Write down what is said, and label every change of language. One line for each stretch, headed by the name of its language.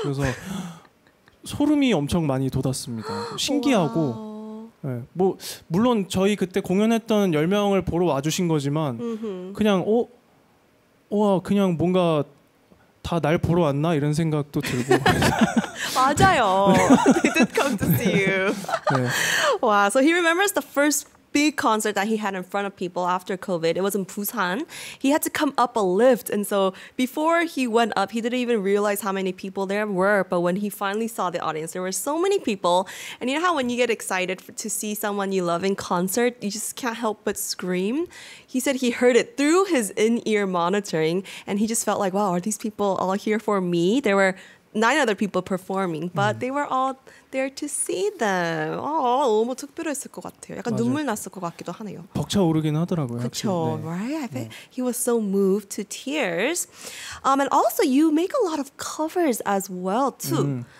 Korean: 그래서 소름이 엄청 많이 돋았습니다. 신기하고 네, 뭐 물론 저희 그때 공연했던 10명을 보러 와주신 거지만 그냥 와 그냥 뭔가 다 날 보러 왔나 이런 생각도 들고 맞아요.
English: They did come to see you. 네. Wow. So he remembers the first big concert that he had in front of people after COVID. It was in Busan. He had to come up a lift. And so before he went up, he didn't even realize how many people there were. But when he finally saw the audience, there were so many people. And you know how when you get excited to see someone you love in concert, you just can't help but scream? He said he heard it through his in-ear monitoring. And he just felt like, wow, are these people all here for me? There were 9 other people performing, but they were all there to see them.
Korean: 너무 특별했을 것 같아요. 약간 맞아요. 눈물 났을 것 같기도 하네요. 벅차오르긴 하더라고요. 그렇죠. 네.
English: Right? I think he was so moved to tears. And also, you make a lot of covers as well, too.